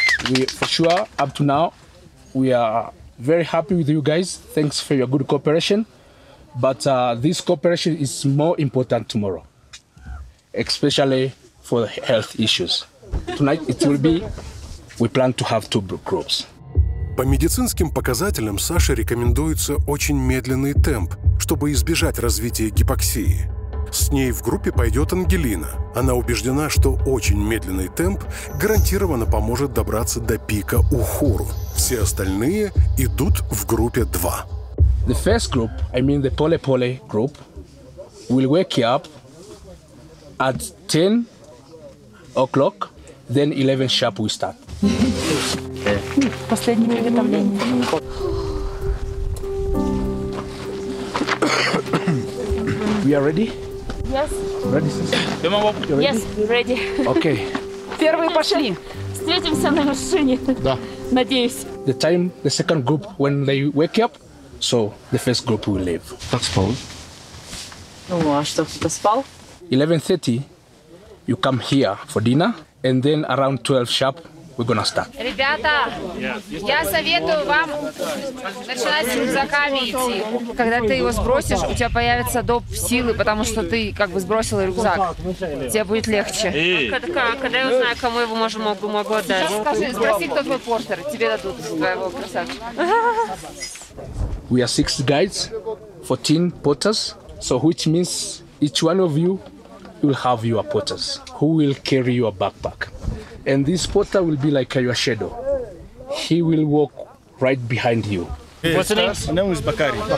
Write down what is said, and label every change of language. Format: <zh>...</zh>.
<en>We, for sure, up to now, we are very happy with you guys. Thanks for your good cooperation. But this cooperation is more important tomorrow, especially for the health issues. Tonight it will be, we plan to have two groups.</en> <ru>По медицинским показателям Саше рекомендуется очень медленный темп, чтобы избежать развития гипоксии. С ней в группе пойдет Ангелина. Она убеждена, что очень медленный темп гарантированно поможет добраться до пика Ухуру. Все остальные идут в группе 2.</ru> <en>The first group, I mean the Pole-Pole group, will wake you up at 10 o'clock, then 11 sharp we start.</en> <ru>Последнее приготовление.</ru> <en>We are ready? Yes. Ready, sister? Ready? Yes, ready. Okay.</en> <ru>Первые пошли. Встретимся на машине. Да. Надеюсь.</ru> <en>The time, the second group, when they wake up, so the first group will leave.</en> <ru>Так спал? Ну, а что, кто-то спал?</ru> <en>11:30, you come here for dinner, and then around 12 sharp, we're gonna start.</en> <ru>Ребята, я советую вам начинать с рюкзаками идти. Когда ты его сбросишь, у тебя появится доп силы, потому что ты как бы сбросил рюкзак. Тебе будет легче. Когда я узнаю, кому его могу отдать? Скажи, спроси, кто твой портер. Тебе дадут твоего красавчика.</ru> <en>We are six guides, 14 porters. So which means each one of you will have your porters. Who will carry your backpack? And this porter will be like your shadow. He will walk right behind you. Yes. What's your name? My name is Bakari.</en>